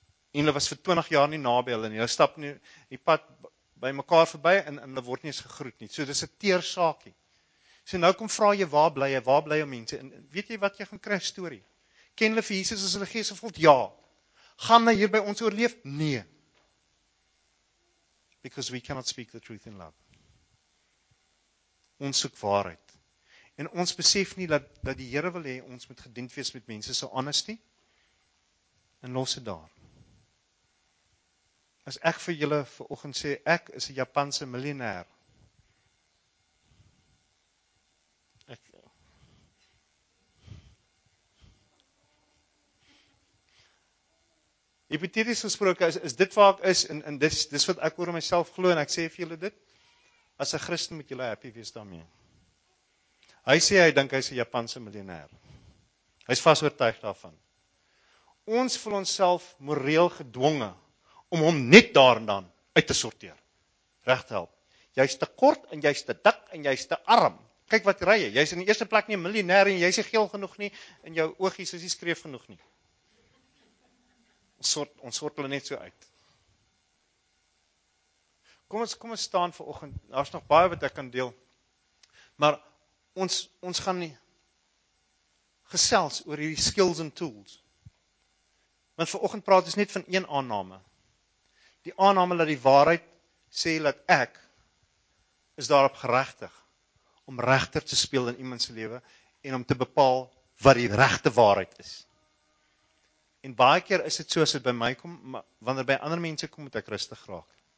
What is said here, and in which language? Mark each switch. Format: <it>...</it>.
<af>En hulle was vir 20 jaar nie na by hulle nie, hulle stap nie die pad by mekaar verby, en hulle word nie eens gegroet nie. So dis 'n teersaakie. So nou kom vra jy, waar bly jou mense, en weet jy wat jy gaan kry, story. Ken hulle vir Jesus as hulle gees gevuld? Ja. Gaan hy hier by ons oorleef? Nee.</af> <en>Because we cannot speak the truth in love.</en> <af>Ons soek waarheid. En ons besef nie dat die Here wil hê ons moet gedient wees met mense so honesty. En los dit daar. As ek vir julle vanoggend sê, ek is 'n Japanse miljonair. Hipoteties gesproke, is dit waar ek is, en dis wat ek oor myself glo, en ek sê vir julle dit, as 'n Christen moet julle happy wees daarmee. Hy sê, hy dink hy is 'n Japanse miljonair. Hy is vas oortuig daarvan. Ons voel onsself moreel gedwonge, om hom net daar en dan uit te sorteer. Reg te help. Jy is te kort, en jy is te dik, en jy is te arm. Kyk wat rye, jy is in die eerste plek nie 'n miljonair, en jy is nie geel genoeg nie, en jou oogies is nie skreef genoeg nie. Ons sort hulle net so uit. Kom ons staan vir oggend, daar's nog baie wat ek kan deel, maar ons gaan nie gesels oor hierdie</af> <en>skills and tools.</en> <af>Want vanoggend praat ons net van een aanname. Die aanname dat die waarheid sê dat ek is daarop geregtig om regter te speel in iemand se lewe en om te bepaal wat die regte waarheid is. En baie keer is dit soos dit by my kom, maar wanneer by ander mense kom, moet ek rustig raak.</af>